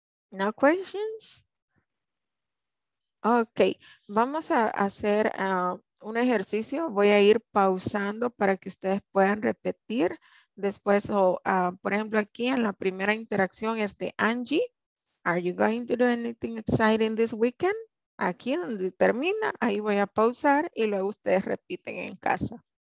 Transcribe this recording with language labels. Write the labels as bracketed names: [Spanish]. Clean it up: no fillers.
[English] No questions? [Spanish] Okay, vamos a hacer un ejercicio, voy a ir pausando para que ustedes puedan repetir Después, por ejemplo, aquí en la primera interacción es de Angie. [English] Are you going to do anything exciting this weekend? [Spanish] Aquí donde termina, ahí voy a pausar y luego ustedes repiten en casa.